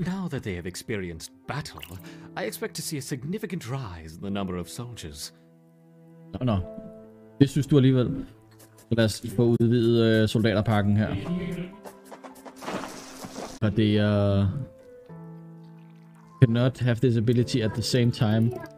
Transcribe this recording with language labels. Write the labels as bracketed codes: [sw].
[en] Now that they have experienced battle, I expect to see a significant rise in the number of soldiers. [da] Nå. Det synes du alligevel. Så lad os få udvidet soldaterparken her. For det er... [en] cannot have this ability at the same time.